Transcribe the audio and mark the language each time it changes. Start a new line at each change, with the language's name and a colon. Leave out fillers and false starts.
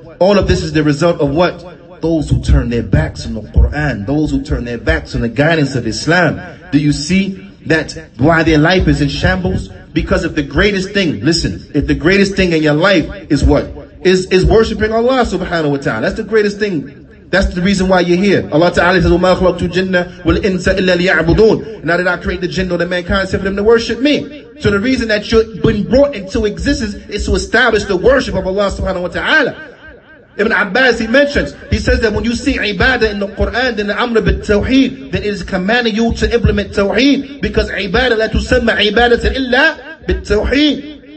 English: All of this is the result of what? Those who turn their backs on the Quran, those who turn their backs on the guidance of Islam. Do you see that why their life is in shambles? Because if the greatest thing, listen, if the greatest thing in your life is what? Is worshiping Allah subhanahu wa ta'ala. That's the greatest thing That's the reason why you're here.
Arabic: Allah Ta'ala says, وَمَا خَلَقْتُ الْجِنَّ وَالْإِنْسَ إِلَّا لِيَعْبُدُونَ.
English: Now did I create the jinn or the mankind except for them to worship me. So the reason that you've been brought into existence is to establish the worship of Allah Subhanahu wa Ta'ala. Ibn Abbas, he mentions, he says that when you see ibadah in the Quran, then the
Arabic: amr bit tawheed,
English: then it is commanding you to implement tawheed, because
Arabic: ibadah la tusamma ibadah illa bit tawheed.